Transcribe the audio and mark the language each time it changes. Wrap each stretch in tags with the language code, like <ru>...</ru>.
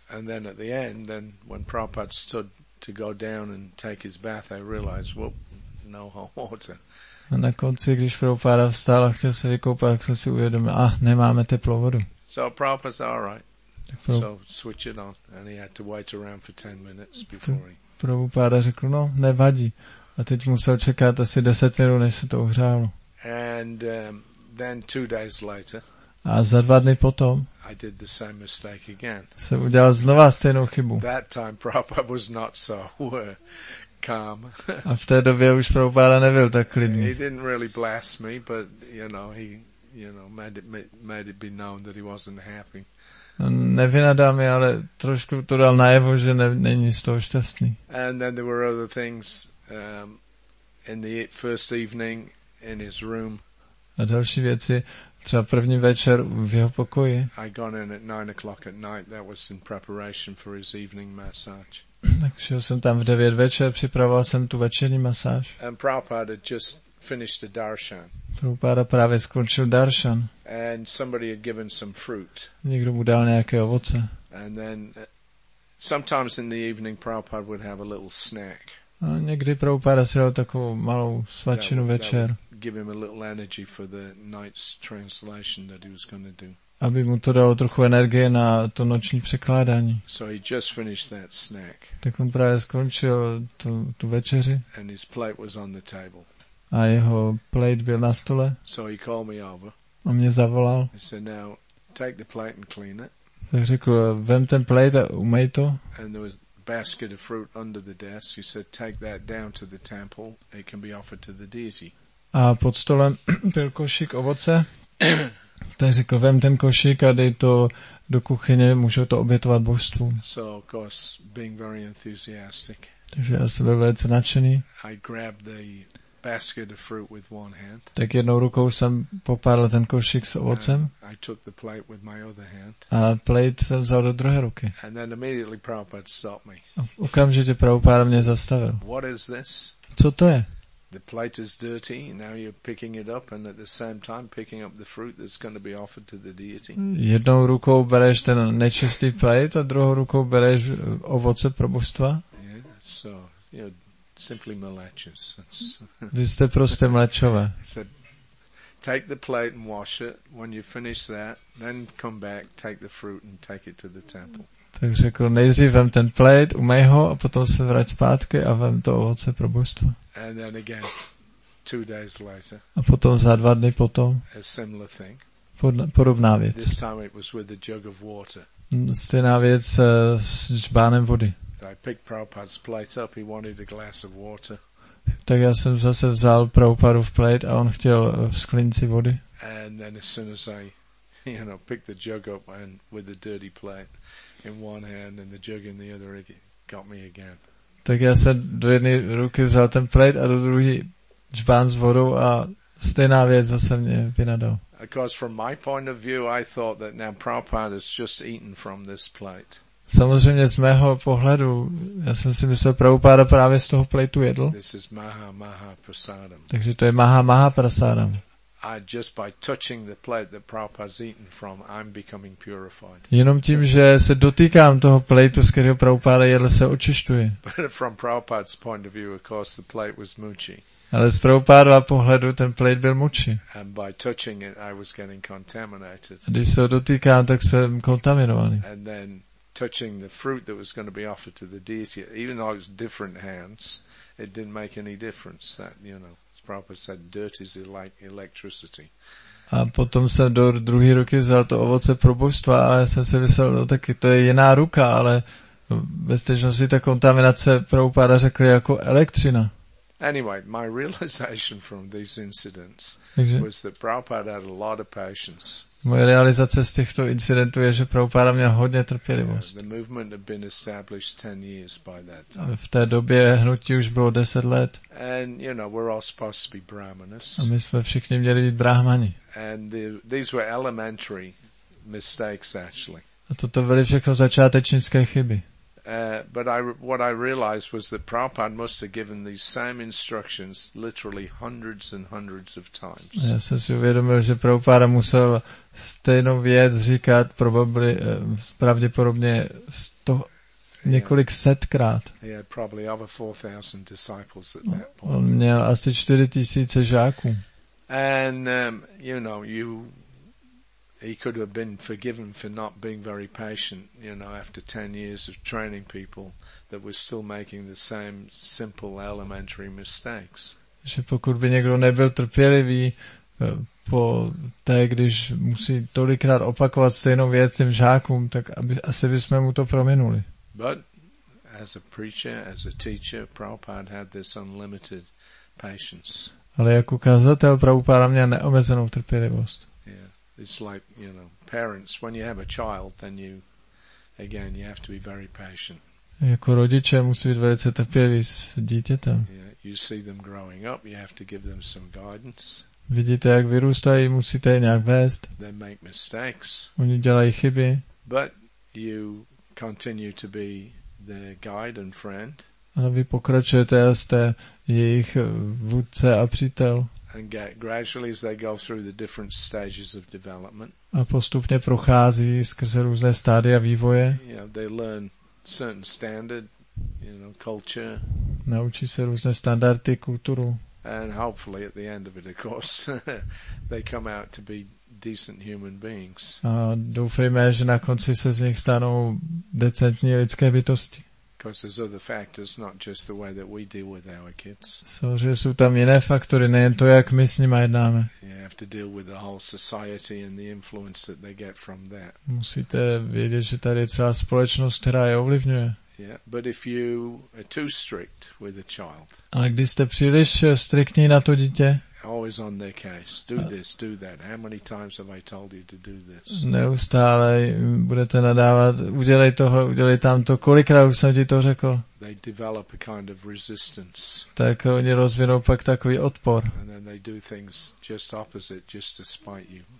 <en>And then at the end, then when Prabhupada stood to go down and take his bath, I realized, well, no hot water.</en> <cs>A na konci, když Prabhupada vstal a chtěl se vykoupat, tak jsem si uvědomil, nemáme teplou vodu.</cs> <en>So Prabhupada said, all right. So switch it on. And he had to wait around for 10 minutes before he...</en> <cs>Prabhupada řekl, no, nevadí. A teď musel čekat asi 10 minut, než se to ohřálo.</cs> <en>And then 2 days later,</en> <cs>a za 2 dny potom</cs> <en>I did the same mistake again.</en> <cs>Jsem udělal znova stejnou chybu.</cs> <en>That time Prabhupada was not so calm.</en> <cs>A v té době už Prabhupada nebyl tak klidný.</cs> <en>He didn't really blast me, but he made it be known that he wasn't happy.</en> <cs>Nevynadal mi, ale trošku to dal najevo, že není z toho šťastný.</cs> <en>And then there were other things in the first evening in his room.</en> <cs>A další věci. Třeba první večer v jeho pokoji.</cs> <en>I gone in at 9 o'clock at night. That was in preparation for his evening massage.</en> <cs>Tak šel jsem tam v 9 večer, připravoval jsem tu večerní masáž.</cs> <en>And Prabhupada had just finished the darshan.</en> <cs>Prabhupada právě skončil darshan.</cs> <en>And somebody had given some fruit.</en> <cs>Někdo mu dal nějaké ovoce.</cs> <en>And then sometimes in the evening Prabhupada would have a little snack.</en> <cs>A někdy Prabhupada si dal takovou malou svačinu večer.</cs> <en>Give him a little energy for the night's translation that he was going to do.</en> <cs>Aby mu to dalo trochu energie na to noční překládání.</cs> <en>So he just finished that snack.</en> <cs>Tak on právě skončil tu večeři.</cs> <en>And his plate was on the table.</en> <cs>A jeho plate byl na stole.</cs> <en>So he called me over.</en> <cs>A mě zavolal.</cs> <en>He said, now take the plate and clean it.</en> <cs>Tak řekl, vem ten plate a umej to.</cs> <en>And there was a basket of fruit under the desk. He said, take that down to the temple. It can be offered to the deity.</en> <cs>A pod stolem byl košík ovoce. Tak řekl, vem ten košík a dej to do kuchyně, můžu to obětovat božstvu.</cs> <en>So, of course, being very enthusiastic.</en> <cs>Takže já jsem byl velice nadšený.</cs> <en>I grabbed the basket of fruit with one hand.</en> <cs>Tak jednou rukou jsem popadl ten košík s ovocem.</cs> <en>I took the plate with my other hand.</en> <cs>A plate jsem vzal do druhé ruky.</cs> <en>And then immediately Prabhupada stopped me.</en> <cs>A okamžitě Prabhupada mě zastavil.</cs> <en>What is this?</en> <cs>Co to je?</cs> <en>The plate is dirty, now you're picking it up and at the same time picking up the fruit that's going to be offered to the deity.</en> <cs>Jednou rukou bereš ten nečistý plate a druhou rukou bereš ovoce pro božstva.</cs> <en>Yeah, so, you know, simply mlečes.</en> <cs>Vy jste prostě mlečové.</cs> <en>Take the plate and wash it. When you finish that, then come back, take the fruit and take it to the temple.</en> <cs>Tak řekl, nejdřív vem ten plate, umej ho a potom se vrať zpátky a vem to ovoce pro božstvo.</cs> <en>And then again, 2 days later.</en> <cs>A potom za 2 dny potom.</cs> <en>A similar thing.</en> <cs>Podobná věc.</cs> <en>This time it was with a jug of water.</en> <cs>Stejná věc s žbánem vody.</cs> <en>I picked Prabhupada's plate up. He wanted a glass of water.</en> <cs>Tak já jsem zase vzal Prabhupadův plate a on chtěl v sklinci vody.</cs> <en>And then as soon as I, you know, picked the jug up and with the dirty plate in one hand and the jug in the other, it got me again.</en> <cs>Tak já jsem do jedné ruky vzal ten plate a do druhé džbán s vodou a stejná věc zase mě vynadal.</cs> <en>Of course, from my point of view, I thought that now Prabhupada has just eaten from this plate.</en> <cs>Samozřejmě z mého pohledu, já jsem si myslel, že Prabhupada právě z toho plejtu jedl.</cs> <en>This is maha maha prasadam.</en> <cs>Takže to je maha maha prasadam.</cs> <en>just by touching the plate that Prabhupada's eaten from, I'm becoming purified.</en> <cs>Jenom tím, že se dotýkám toho plateu, z kterého Prabhupada jedl, se očišťuji.</cs> <en>From Prabhupada's point of view, of course, the plate was muči.</en> <cs>Ale z Prabhupádova pohledu ten plate byl muči.</cs> <en>And by touching it, I was getting contaminated.</en> <cs>A když se ho dotýkám, tak jsem kontaminovaný.</cs> <en>And then touching the fruit that was going to be offered to the deity, even though it was different hands, it didn't make any difference. That, you know, as Prabhupada said, dirt is like electricity.</en> <cs>A potom jsem do druhé ruky vzal to ovoce probožstva a já jsem si myslel, no tak to je jiná ruka, ale ve stejnosti ta kontaminace Prabhupáda řekl jako elektřina.</cs> <en>Anyway, my realization from these incidents was that Prabhupada had a lot of patience.</en> <cs>Moje realizace z těchto incidentů je, že Prabhupada měl hodně trpělivost.</cs> <en>The movement had been established 10 years by that time.</en> <cs>V té době hnutí už bylo 10 let.</cs> <en>And you know, we're all supposed to be brahmanas.</en> <cs>A my jsme všichni měli být brahmani.</cs> <en>And these were elementary mistakes actually.</en> <cs>A toto byly všechno začátečnické chyby.</cs> <en>What I realized was that Prabhupada must have given these same instructions literally hundreds and hundreds of times.</en> <cs>Já jsem si uvědomil, že Prabhupada musel stejnou věc říkat pravděpodobně několik setkrát.</cs> <en>He had probably over 4,000 disciples at that point.</en> <cs>On měl asi 4,000 žáků.</cs> <en>And you know, he could have been forgiven for not being very patient, you know, after 10 years of training people that were still making the same simple elementary mistakes.</en> <cs>Že pokud by někdo nebyl trpělivý po té, když musí tolikrát opakovat stejnou věc těm žákům, tak asi bychom mu to prominuli.</cs> <en>But as a preacher, as a teacher, Prabhupada had this unlimited patience.</en> <cs>Ale jako kazatel Prabhupada měl neomezenou trpělivost.</cs> <en>It's like, you know, parents, when you have a child, then you, again, you have to be very patient.</en> <cs>Jako rodiče musí být velice trpělivý s dítětem.</cs> <en>Yeah, you see them growing up, you have to give them some guidance.</en> <cs>Vidíte, jak vyrůstají, musíte je nějak vést.</cs> <en>They make mistakes.</en> <cs>Oni dělají chyby.</cs> <en>But you continue to be their guide and friend.</en> <cs>Ale vy pokračujete a jste jejich vůdce a přítel.</cs> <en>And gradually as they go through the different stages of development.</en> <cs>A postupně prochází skrze různé stádia vývoje.</cs> <en>You know, they learn certain standard, you know, culture.</en> <cs>Naučí se různé standardy, kulturu.</cs> <en>And hopefully at the end of it, of course, they come out to be decent human beings.</en> <cs>A doufejme, že na konci se z nich stanou decentní lidské bytosti.</cs> <en>Because there's other factors, not just the way that we deal with our kids.</en> <cs>Samozřejmě jsou tam jiné faktory, nejen to, jak my s nimi jednáme.</cs> <en>You have to deal with the whole society and the influence that they get from that.</en> <cs>Musíte vědět, že tady je celá společnost, která je ovlivňuje.</cs> <en>Yeah, but if you are too strict with a child.</en> <cs>Ale když jste příliš striktní na to dítě.</cs> <en>Always on their case. Do this, do that. How many times have I told you to do this?</en> <cs>Neustále budete nadávat. Udělej toho, udělej tamto. Kolikrát už jsem ti to řekl?</cs> <en>They develop a kind of resistance.</en> <cs>Tak oni rozvinou pak takový odpor.</cs> <en>And then they do things just opposite, just to spite you.</en>